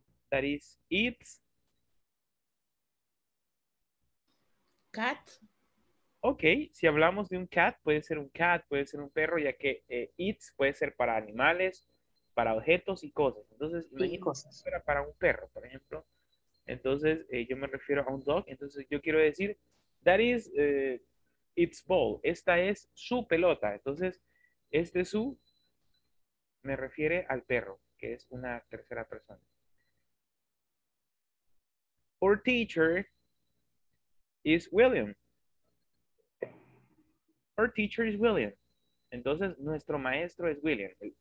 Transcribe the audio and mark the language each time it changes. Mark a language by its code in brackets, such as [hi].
[en] That is its cat. [es] Ok, si hablamos de un cat, puede ser un cat, puede ser un perro, ya que its puede ser para animales, para objetos y cosas. Entonces, y imagínate cosas. Si fuera para un perro, por ejemplo. Entonces, yo me refiero a un dog. Entonces, yo quiero decir, [en] that is its ball. [es] Esta es su pelota. Entonces, este su me refiere al perro, que es una tercera persona. [en] Our teacher is William. Our teacher is William. [es] Entonces, nuestro maestro es William.